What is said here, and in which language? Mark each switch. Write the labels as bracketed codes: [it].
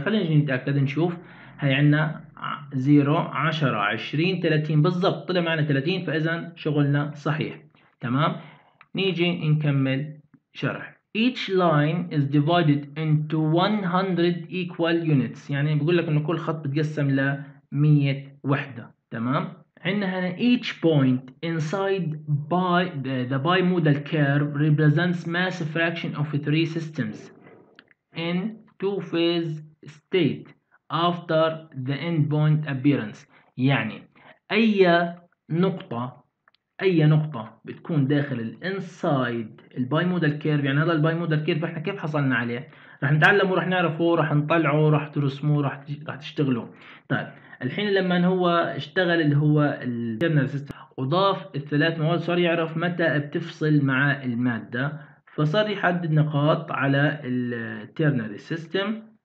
[ar] خلينا نجي نتأكد نشوف، هاي عندنا 0 10 20 30 بالضبط، طلع معنا 30، فإذا شغلنا صحيح. تمام؟ نيجي نكمل شرح. [en] Each line is divided into 100 equal units، [ar] يعني بقول لك إنه كل خط بتقسم ل 100 وحدة. تمام؟ عندنا هنا [en] each point inside by the bimodal curve represents mass fraction of three systems in two phase state after the end point appearance. [ar] يعني اي نقطة، اي نقطة بتكون داخل الـ inside البايمودال كيرف، يعني هذا البايمودال كيرف احنا كيف حصلنا عليه؟ رح نتعلمه، رح نعرفه، رح نطلعه، رح ترسمه، رح تشتغله. طيب الحين لما هو اشتغل اللي هو الترنال سيستم وضاف الثلاث مواد، صار يعرف متى بتفصل مع المادة، فصار يحدد نقاط على الترنال سيستم.